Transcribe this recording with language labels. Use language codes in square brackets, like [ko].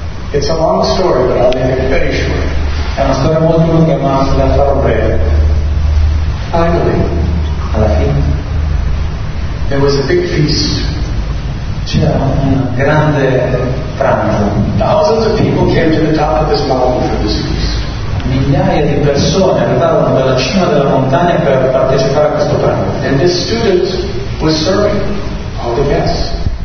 [en] It's a long story, but I'll make it very short. [it] È una storia molto lunga, ma la farò breve. [en] Finally, [it] alla fine, [en] there was a big feast. [it] C'era un grande pranzo. [en] Thousands of people came to the top of this mountain for this feast. [it] Migliaia di persone arrivarono dalla cima della montagna per partecipare a questo pranzo. [en] And this student was serving all the guests.